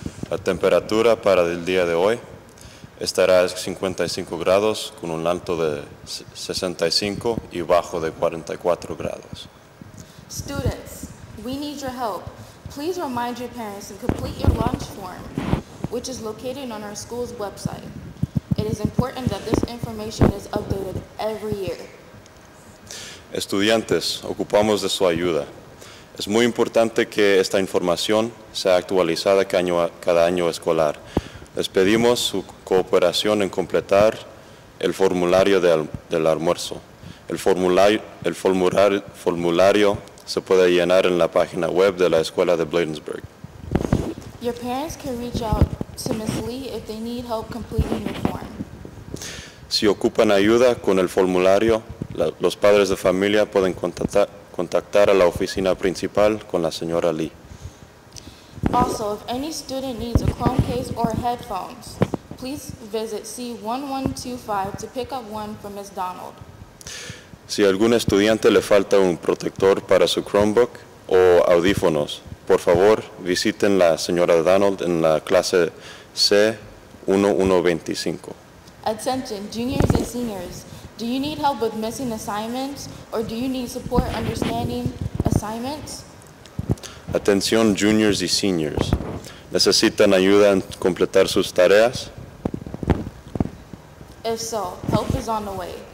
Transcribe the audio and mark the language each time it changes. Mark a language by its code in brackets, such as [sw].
[es] La temperatura para el día de hoy estará a 55 grados con un alto de 65 y bajo de 44 grados. [en] Students, we need your help. Please remind your parents and complete your lunch form, which is located on our school's website. It is important that this information is updated every year. [es] Estudiantes, ocupamos de su ayuda. Es muy importante que esta información sea actualizada cada año escolar. Les pedimos su cooperación en completar el formulario del almuerzo. El formulario se puede llenar en la página web de la escuela de Bladensburg. [en] Your parents can reach out to Ms. Lee if they need help completing the form. [es] Si ocupan ayuda con el formulario, los padres de familia pueden contactar a la oficina principal con la señora Lee. [en] Also, if any student needs a Chrome case or headphones, please visit C1125 to pick up one from Ms. Donald. [es] Si algún estudiante le falta un protector para su Chromebook o audífonos, por favor visiten la señora Donald en la clase C1125. [en] Attention, juniors and seniors. Do you need help with missing assignments, or do you need support understanding assignments? [es] Atención, juniors y seniors. ¿Necesitan ayuda en completar sus tareas? [en] If so, help is on the way.